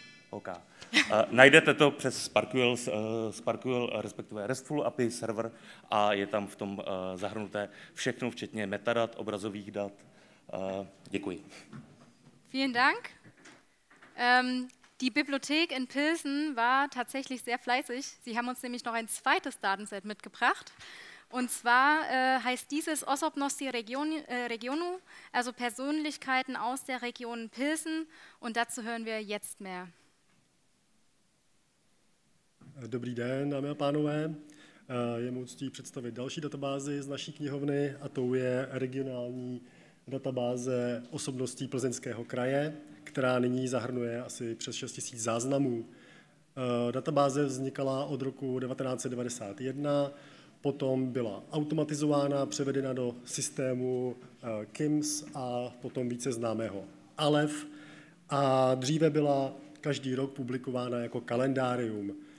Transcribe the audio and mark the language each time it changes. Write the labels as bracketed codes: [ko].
[cs] OK. Najdete to přes Sparkuel, respektive RESTful API server, a je tam v tom zahrnuté všechno, včetně metadat, obrazových dat. Děkuji. [de] Vielen Dank. Die Bibliothek in Pilsen war tatsächlich sehr fleißig. Sie haben uns nämlich noch ein zweites Datenset mitgebracht. Und zwar heißt dieses Osobnosti Regionu, also Persönlichkeiten aus der Region Pilsen. Und dazu hören wir jetzt mehr. [cs] Dobrý den, dámy a pánové. Je mou ctí představit další databázi z naší knihovny, a tou je regionální databáze osobností Plzeňského kraje, která nyní zahrnuje asi přes 6 000 záznamů. Databáze vznikala od roku 1991, potom byla automatizována, převedena do systému KIMS a potom více známého ALEF, a dříve byla každý rok publikována jako kalendárium.